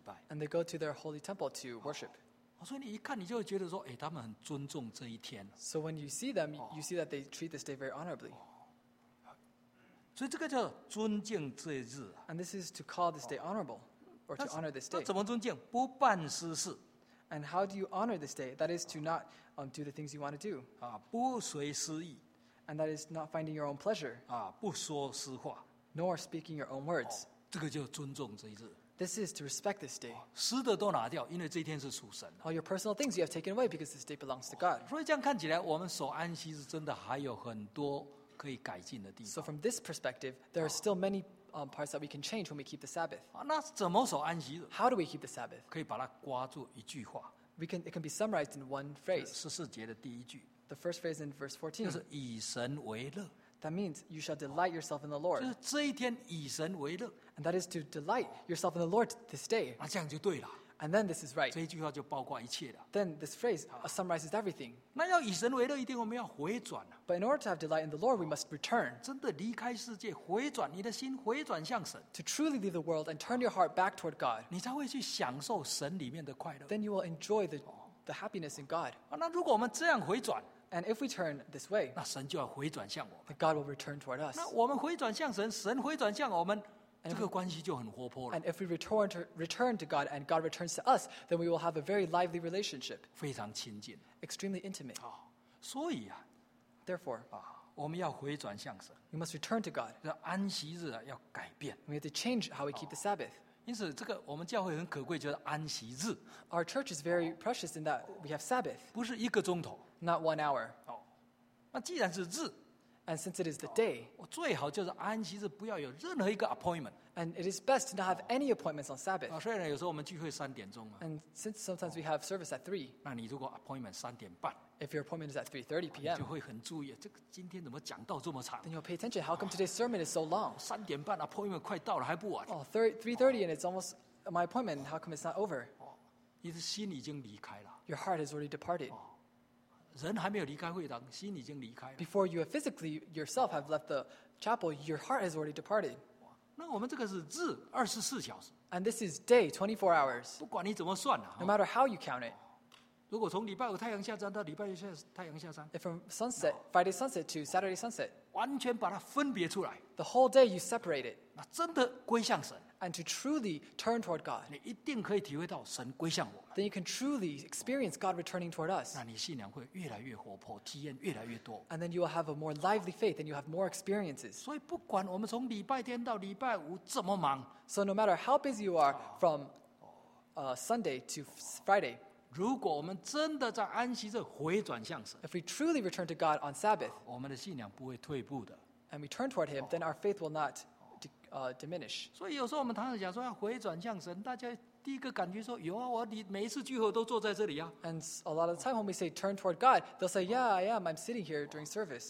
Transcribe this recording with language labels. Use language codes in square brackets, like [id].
[en] And they go to their holy temple to worship. [zh] 所以你一看你就会觉得说, 诶, 他们很尊重这一天。 [en] So when you see them, you see that they treat this day very honorably. [zh] 所以这个叫尊敬这日, [en] and this is to call this day honorable, or to honor this day. [zh] 那怎么尊敬?不办私事, [en] and how do you honor this day? That is to not do the things you want to do. [zh] 不随私意, [en] and that is not finding your own pleasure. [zh] 不说私话, [en] nor speaking your own words. [zh] 这个叫尊重这日, [en] this is to respect this day. [zh] 私的都拿掉, 因为这一天是属神, [en] all your personal things you have taken away because this day belongs to God. [zh] 所以这样看起来, 我们守安息日真的还有很多, [en] so from this perspective, there are still many parts that we can change when we keep the Sabbath. [zh] 那怎么守安息日? [en] How do we keep the Sabbath? [zh] 可以把它刮住一句话, [en] it can be summarized in one phrase. [zh] 14节的第一句, [en] the first phrase in verse 14. [zh] 就是以神为乐, [en] that means you shall delight yourself in the Lord. [zh] 就是这一天以神为乐, [en] and that is to delight yourself in the Lord this day. [zh] 那这样就对了, [en] and then this is right. [zh] 这一句话就包括一切的, [en] then this phrase summarizes everything. [zh] 那要以神为乐一定我们要回转, [en] but in order to have delight in the Lord, we must return. [zh] 真的离开世界, 回转, 你的心, 回转向神, [en] to truly leave the world and turn your heart back toward God. [zh] 你才会去享受神里面的快乐, [en] then you will enjoy the happiness in God. [zh] 那如果我们这样回转, [en] and if we turn this way, [zh] 那神就要回转向我们, [en] then God will return toward us. [zh] 那我们回转向神, 神回转向我们, and [en] if we return to God and God returns to us, then we will have a very lively relationship. [zh] 非常亲近, [en] extremely intimate. [zh] 所以啊, [en] therefore, [zh] 我们要回转向神, [en] we must return to God. [zh] 安息日啊,要改变, [en] we have to change how we keep the Sabbath. [zh] 因此这个我们教会很可贵就是安息日, [en] our church is very precious in that we have Sabbath. [zh] 不是一个钟头, [en] not 1 hour. [zh] 那既然是日, [en] and since it is the day, [zh] 最好就是安息日不要有任何一个 appointment, [en] And it is best to not have any appointments on Sabbath. [zh] 虽然有时候我们聚会三点钟嘛。 [en] And since sometimes we have service at 3. [zh] 那你如果 appointment 三点半。 [en] If your appointment is at 3:30 p.m. [zh] 你就会很注意，这个今天怎么讲到这么长？ [en] Then you'll pay attention. How come today's sermon is so long? [zh] 三点半 appointment 快到了还不晚。 [en] Oh, 3:30 and it's almost my appointment. How come it's not over? [zh] 你的心已经离开了。 [en] Your heart has already departed. [zh] 人还没有离开会堂，心已经离开了。 [en] Before you have physically yourself have left the chapel, your heart has already departed. [zh] 那我们这个是日二十四小时 [en] ，and this is day 24 hours。 [zh] 不管你怎么算了 [en] ，no matter how you count it。 [zh] 如果从礼拜五太阳下山到礼拜六太阳下山 [en] ，if from sunset Friday sunset to Saturday sunset， [zh] 完全把它分别出来 [en] ，the whole day you separate it， [zh] 那真的归向神 [en] ，and to truly turn toward God， [zh] 你一定可以体会到神归向我们 [en] ，then you can truly experience God returning toward us。 [zh] 那你信仰会越来越活泼，体验越来越多 [en] ，and then you will have a more lively faith and you have more experiences。 [zh] 所以不管我们从礼拜天到礼拜五怎么忙 [en] ，so no matter how busy you are from Sunday to Friday。 [zh] 如果我们真的在安息日回转向神 [en] ，If we truly return to God on Sabbath， [zh] 我们的信仰不会退步的 [en] ，And we turn toward Him， then our faith will not diminish。 [zh] 所以有时候我们常常讲说要回转向神，大家第一个感觉说有啊，我每一次聚会都坐在这里啊。 [en] And a lot of the time when we say turn toward God， they'll say， Yeah， I am， I'm sitting here during service。